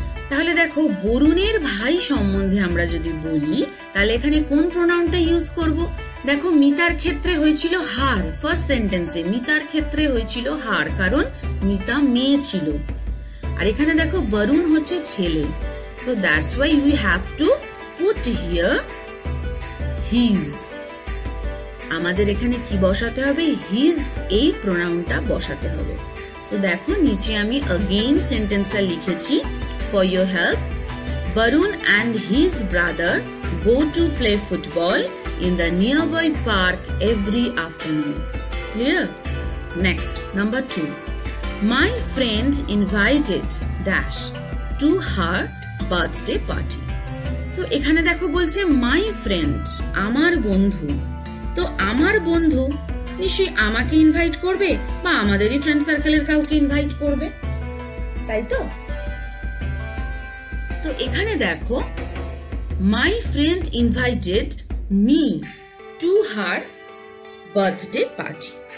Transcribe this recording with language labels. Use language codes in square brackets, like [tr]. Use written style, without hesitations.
[bn] তাহলে দেখো বরুণের ভাই সম্বন্ধে আমরা যদি বলি তাহলে এখানে কোন প্রোনাউনটা ইউজ করব, দেখো মিতার ক্ষেত্রে হয়েছিল হার, ফার্স্ট সেন্টেন্সে মিতার ক্ষেত্রে হয়েছিল হার, কারণ মিতা মেয়ে ছিল। আর এখানে দেখো বরুণ হচ্ছে ছেলে, [en] So that's why we have to put here his. [bn] আমাদের এখানে কি বসাতে হবে, হিজ, এই প্রোনাউনটা বসাতে হবে। তো দেখো নিচে আমি again sentenceটা লিখেছি, [en] for your help Varun and his brother go to play football in the nearby park every afternoon, clear? Next number 2, my friend invited dash to her birthday party. [bn] তো এখানে দেখো বলছে [en] my friend, [bn] আমার বন্ধু, তো আমার বন্ধু নিশ্চয় আমাকে ইনভাইট করবে বা আমাদেরই ফ্রেন্ড সার্কেলের কাউকে ইনভাইট করবে, তাই তো? তো এখানে দেখো [en] My friend invited me to her birthday party.